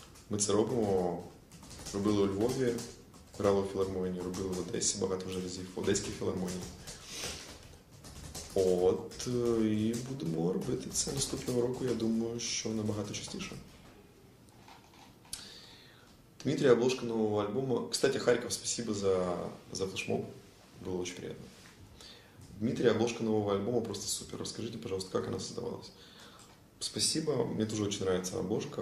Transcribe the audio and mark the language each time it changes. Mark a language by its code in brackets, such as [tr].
[uk] Ми це робимо, робили у Львові, грали у філармонії, робили в Одесі багато вже разів, в Одеській філармонії. От, і будемо робити це наступного року, я думаю, що набагато частіше. Дмитрій, обложка нового альбому. [ru] Кстати, Харків, спасибо за флешмоб. [uk] Було дуже приємно. Дмитрій, обложка нового альбому просто супер. Розкажіть, будь ласка, як вона створювалася? Спасибо, мені теж дуже подобається обложка.